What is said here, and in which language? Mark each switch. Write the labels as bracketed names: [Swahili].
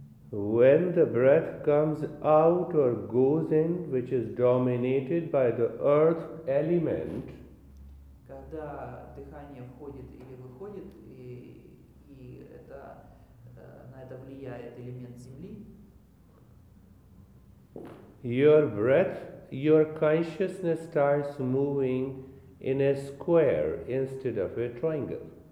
[English] When the breath comes out or goes in, which is dominated by the earth element, [Russian] когда дыхание входит или выходит, и это на это влияет элемент земли, [English] your breath, your consciousness starts moving in a square instead of a triangle.